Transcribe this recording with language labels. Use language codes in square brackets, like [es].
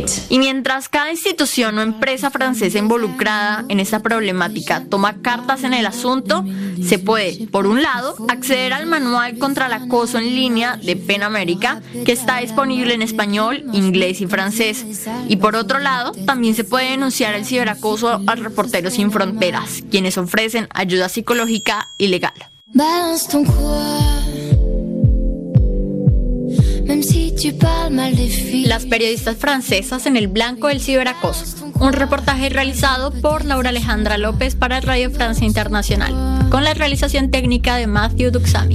[es] Y mientras cada institución o empresa francesa involucrada en esta problemática toma cartas en el asunto, se puede, por un lado, acceder al manual contra el acoso en línea de PEN América, que está disponible en español, inglés y francés. Y por otro lado, también se puede denunciar el ciberacoso a Reporteros Sin Fronteras, quienes ofrecen ayuda psicológica y legal. [fr] Balance ton quoi, même si tu parles mal des filles. [es] Las periodistas francesas en el blanco del ciberacoso. Un reportaje realizado por Laura Alejandra López para Radio Francia Internacional, con la realización técnica de Matthew Duxami.